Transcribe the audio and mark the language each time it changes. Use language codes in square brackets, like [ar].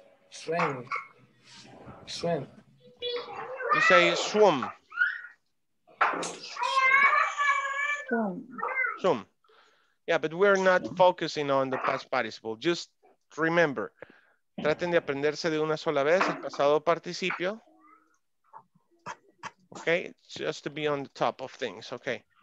[en] Swim. Swim. You say swim. Swim. Swim. Yeah, but we're not focusing on the past participle. Just remember. [es] Traten de aprenderse de una sola vez el pasado participio. [en] Okay, just to be on the top of things, okay.